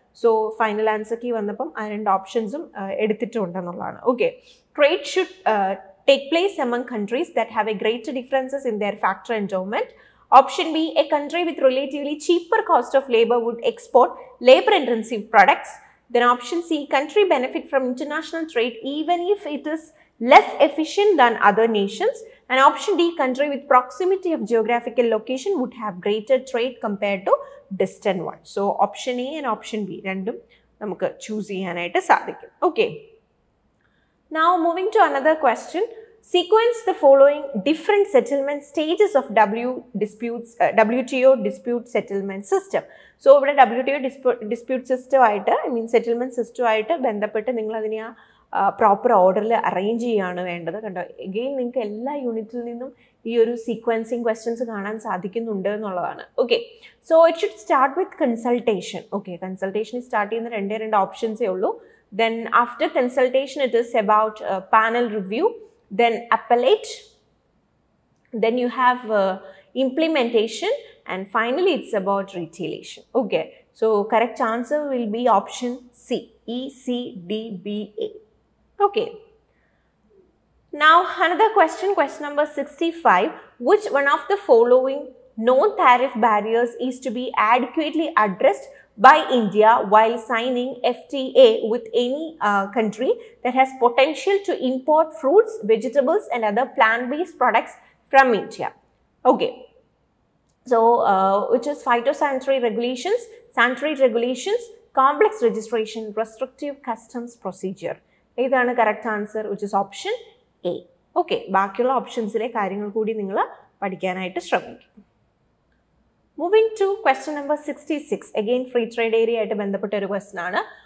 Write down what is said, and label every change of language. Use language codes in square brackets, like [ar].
[ml] So final ആൻസർക്ക് വന്നപ്പം ആ രണ്ട് ഓപ്ഷൻസും എടുത്തിട്ടുണ്ടെന്നുള്ളതാണ്. [en] Okay, trade should take place among countries that have a greater differences in their factory endowment. Option B, a country with relatively cheaper cost of labour would export labour intensive products. Then option C, country benefit from international trade even if it is less efficient than other nations. And option D, country with proximity of geographical location would have greater trade compared to distant one. So option A and option B, random [ml] namukku choose cheyanayittu sadhikkum. [en] Okay, now moving to another question. Sequence the following different settlement stages of WTO dispute settlement system. [ml] So ഇവിടെ WTO dispute സിസ്റ്റമായിട്ട്, I mean settlement സിസ്റ്റമായിട്ട് ബന്ധപ്പെട്ട് നിങ്ങൾ അതിനെ ആ proper ഓർഡറിൽ arrange ചെയ്യുകയാണ് വേണ്ടത് കണ്ടോ. Again നിങ്ങൾക്ക് എല്ലാ യൂണിറ്റിൽ നിന്നും ഈ ഒരു സീക്വൻസിങ് ക്വസ്റ്റ്യൻസ് കാണാൻ സാധിക്കുന്നുണ്ട് എന്നുള്ളതാണ്. [en] Okay, so it should start with consultation. Okay, consultation start [ml] ചെയ്യുന്ന രണ്ടേ രണ്ട് ഓപ്ഷൻസേ ഉള്ളൂ. [en] Then after consultation it is about panel review, then appellate, then you have implementation, and finally it's about retaliation. Okay, so correct answer will be option C, E C D B A. Okay, now another question number 65, which one of the following known tariff barriers is to be adequately addressed by India while signing FTA with any country that has potential to import fruits, vegetables and other plant based products from India? Okay, so which is phytosanitary regulations, sanitary regulations, complex registration, restrictive customs procedure? [ml] ഇതാണ് [en] correct answer, which is option A. [ml] Okay, ബാക്കിയുള്ള ഓപ്ഷൻസിലെ കാര്യങ്ങൾ കൂടി നിങ്ങൾ പഠിക്കാനായിട്ട് ശ്രമിക്കും. [en] moving to question number 66, again free trade area [ml] ആയിട്ട് ബന്ധപ്പെട്ട ഒരു ക്വസ്റ്റ്യൻ ആണ്.